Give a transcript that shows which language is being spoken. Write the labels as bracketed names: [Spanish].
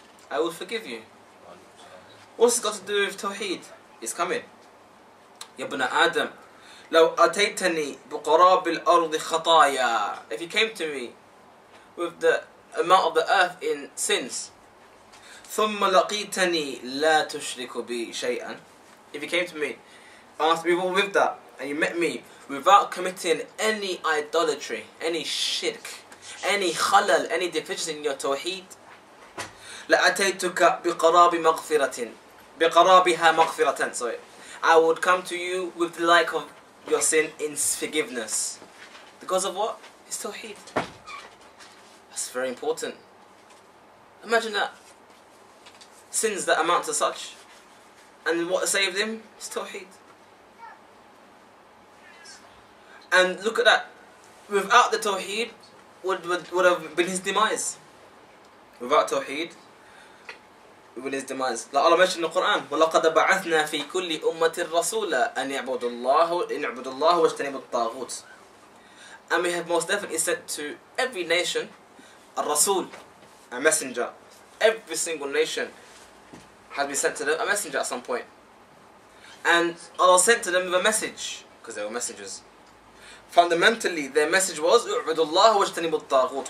[English] I would forgive you. What's it got to do with Tawheed? It's coming. [Arabic] يَبْنَ آدَمْ لَوْ أَتَيْتَنِي بُقَرَابِ الْأَرْضِ خَطَايَا. [English] If you came to me with the amount of the earth in sins. [Arabic] ثُمَّ لَقِيتَنِي لَا تُشْرِكُ بِي شَيْئًا. [English] If you came to me, asked people with that, and you met me without committing any idolatry, any shirk, any khalal, any deficiency in your tawheed, [Arabic] لَأَتَيْتُكَ بِقَرَابِ مَغْفِرَةٍ بِقَرَابِهَا مَغْفِرَةً. [English] Sorry. I would come to you with the like of your sin in forgiveness. Because of what? It's tawheed. It's very important. Imagine that. Sins that amount to such. And what saved him? It's Tawheed. And look at that. Without the Tawheed, would have been his demise. Without Tawheed, it would be his demise. Like Allah mentioned in the Quran, [Arabic] وَلَقَدْ بَعَثْنَا فِي كُلِّ أُمَّةِ الرَّسُولَ أَنْ يَعْبُدُ اللَّهُ وَاجْتَنِبُ الطَّاغُوتِ. [English] And we have most definitely said to every nation, a Rasul, a messenger. Every single nation has been sent to them a messenger at some point. And Allah sent to them with a message, because they were messengers. Fundamentally, their message was, U'budu Allah wa ijtanibu al-taghut.